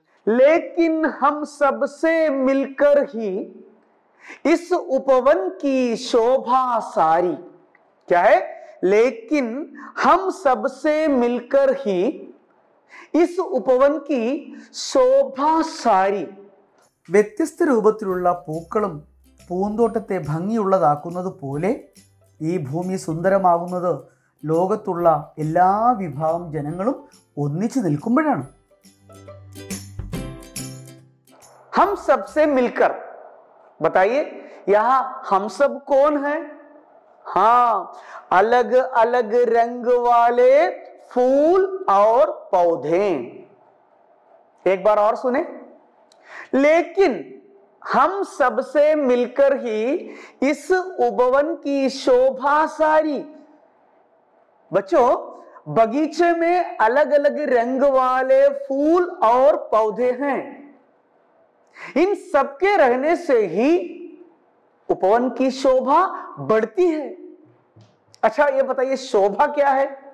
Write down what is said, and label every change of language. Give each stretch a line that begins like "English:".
Hindi: लेकिन हम सबसे मिलकर ही इस उपवन की शोभा सारी। क्या है? लेकिन हम सबसे मिलकर ही इस उपवन की शोभा सारी।
Malayalam: വ്യത്യസ്ത രൂപത്തിലുള്ള പൂക്കളും പൂന്തോട്ടത്തെ ഭംഗിയുള്ളതാക്കുന്നത് പോലെ ഈ ഭൂമി സുന്ദരമാകുന്നത് ലോകത്തുള്ള എല്ലാ വിഭാഗം ജനങ്ങളും ഒന്നിച്ചു നിൽക്കുമ്പോഴാണ്.
Hindi: ഹം സബ്സേ മിൽക്കർ ബതായേ യഹാ ഹം സബ് കോൺ ഹേ ഹാ അലഗ് അലഗ് രംഗ് വാലേ Phool our പൗധേ Ek bar our സുനേ ലേക്കിൻ Hum Sabse milker he is Upvan key Shobha sari. बच्चों बगीचे में अलग अलग रंग वाले फूल और पौधे हैं, इन सबके रहने से ही उपवन की शोभा बढ़ती है। अच्छा ये बताइए शोभा क्या है?